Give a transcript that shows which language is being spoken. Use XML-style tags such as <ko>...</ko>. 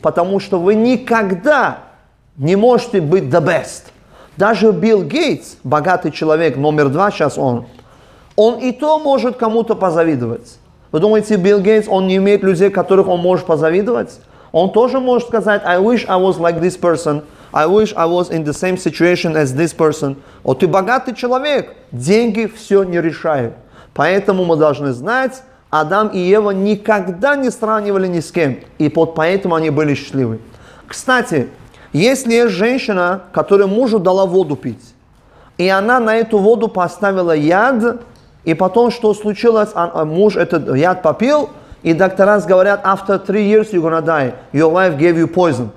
<ru>Потому что вы никогда не можете быть</ru> <en>the best.</en> <ru>Даже Билл Гейтс, богатый человек, номер 2 сейчас он и то может кому-то позавидовать. Вы думаете, Билл Гейтс, он не имеет людей, которых он может позавидовать? Он тоже может сказать,</ru> <en>I wish I was like this person. I wish I was in the same situation as this person.</en> <ru>О, ты богатый человек. Деньги все не решают. Поэтому мы должны знать, Адам и Ева никогда не сравнивали ни с кем. И вот поэтому они были счастливы. Кстати, если есть женщина, которая мужу дала воду пить, и она на эту воду поставила яд, и потом что случилось, муж этот яд попил, и доктора говорят,</ru> <en>after 3 years you're gonna die, your wife gave you poison.</en>